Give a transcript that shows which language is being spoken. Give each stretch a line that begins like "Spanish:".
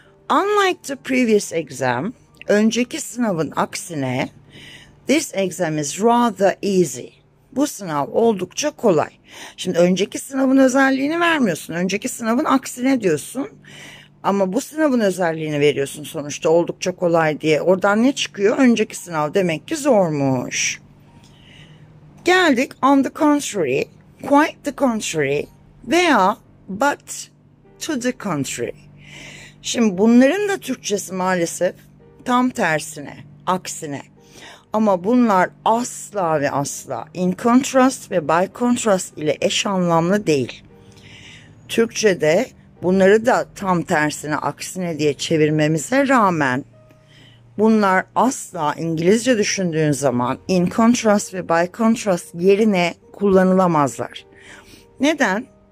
English: Unlike the previous exam,
Turkish: önceki sınavın aksine,
English: this exam is rather easy.
Turkish: Bu sınav oldukça kolay. Şimdi önceki sınavın özelliğini vermiyorsun. Önceki sınavın aksine diyorsun. Ama bu sınavın özelliğini veriyorsun sonuçta oldukça kolay diye. Oradan ne çıkıyor? Önceki sınav demek ki zormuş. Geldik on the contrary, quite the contrary veya but to the contrary. Şimdi bunların da Türkçesi maalesef tam tersine, aksine. Ama bunlar asla ve asla in contrast ve by contrast ile eş anlamlı değil. Türkçe'de bunları da tam tersine, aksine diye çevirmemize rağmen bunlar asla İngilizce düşündüğün zaman in contrast ve by contrast yerine kullanılamazlar. Neden?